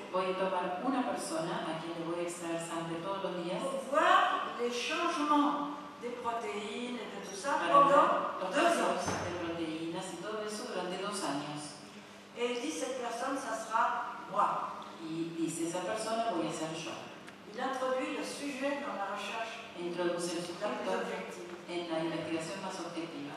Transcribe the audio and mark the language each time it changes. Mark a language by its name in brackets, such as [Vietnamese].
[Spanish] Voy a tomar una persona a quien le voy a extraer sangre todos los días. [French] Pour voir les changements des protéines et de tout ça pendant deux ans. [Spanish] De proteínas y todo eso durante dos años. [French] Et il dit, cette personne, ça sera moi. [Spanish] Y dice, esa persona voy a ser yo. [French] Il introduit le sujet dans la recherche. [Spanish] Introduce el sujeto en la investigación más objetiva.